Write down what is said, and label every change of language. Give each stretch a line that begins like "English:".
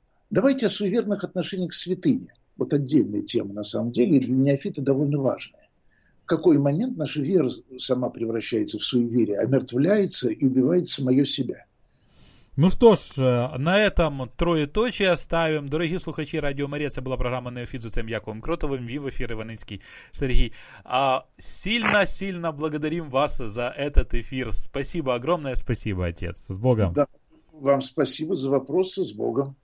Russian: Давайте о суеверных отношениях к святыне. Вот отдельная тема, на самом деле, и для неофита довольно важная. В какой момент наша вера сама превращается в суеверие, омертвляется и убивает самое себя? Ну что ж, на этом троєточие ставим.
Ukrainian: Дорогі слухачі Радіо Марія, це була програма «Неофіт» з цим Яковом Кротовим, вів ефір Іваницький Сергій.
Russian: Сильно-сильно благодарим вас за этот ефір. Спасибо, огромное спасибо, отец. С Богом. Да, вам спасибо за вопросы, с Богом.